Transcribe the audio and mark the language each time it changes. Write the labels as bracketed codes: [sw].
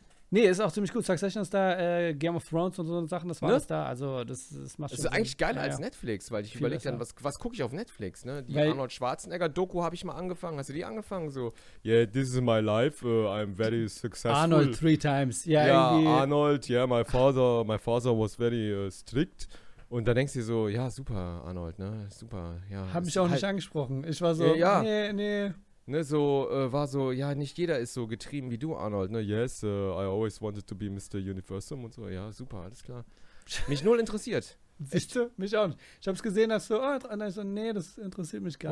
[de] Nee, ist auch ziemlich gut. Succession ist da, Game of Thrones und so Sachen, das war alles da. Also das macht schon ist eigentlich geiler als Netflix, weil ich überlege dann, was gucke ich auf Netflix, ne? Die Arnold Schwarzenegger-Doku habe ich mal angefangen. Hast du die angefangen? [en] So, yeah, this is my life, I'm very successful. Arnold three times. [de] Ja, [en] yeah, Arnold, yeah, my father was very strict. [de] Und da denkst du dir so, ja, super, Arnold, ne? Super, ja. Hab mich auch nicht angesprochen. Ich war so, nee. Ne, so, war so, ja, nicht jeder ist so getrieben wie du, Arnold, ne, yes, I always wanted to be Mr. Universum und so, ja, super, alles klar. Mich null interessiert. Siehst du? Mich auch nicht. Ich hab's gesehen, dass so, nee, das interessiert mich gar